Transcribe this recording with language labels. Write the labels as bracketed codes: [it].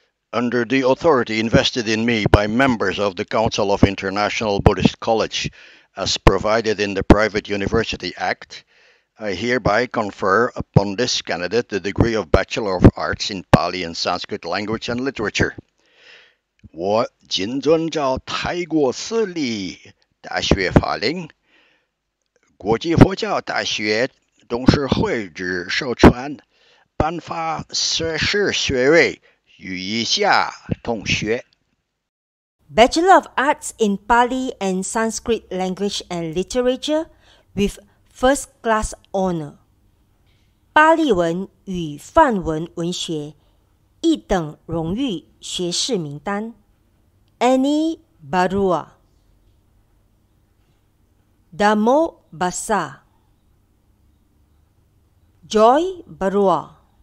[en] Under the authority invested in me by members of the Council of International Buddhist College, as provided in the Private University Act, I hereby confer upon this candidate the degree of Bachelor of Arts in Pali and Sanskrit Language and Literature. [zh] 我谨遵照泰国私立大学法令、国际佛教大学董事会之授权，颁发硕士学位予以下同学。 [en] Bachelor of Arts in Pali and Sanskrit Language and Literature with First Class Honor. [zh] 巴利文与梵文文学一等荣誉学士名单 Ani Barua Damo Basa Joy Barua.